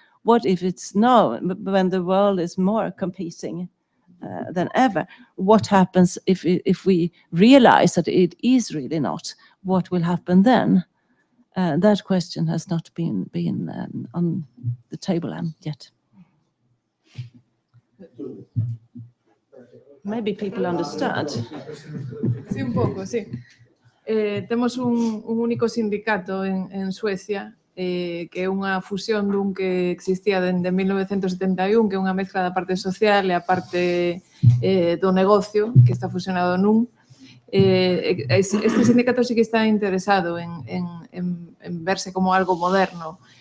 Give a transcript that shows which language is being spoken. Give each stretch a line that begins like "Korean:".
English: What if it's now, when the world is more competing than ever, what happens if we realize that it is really not, what will happen then? That question has not been on the table yet. Maybe people understand.
Spanish: Sí, un poco, sí.
Galician: Temos un único sindicato en Suecia, que é unha fusión dun que existía dende 1971, que é unha
Spanish: mezcla
Galician: da parte social e a parte do negocio, que está fusionado nun. Este sindicato sí que está interesado en verse como algo moderno.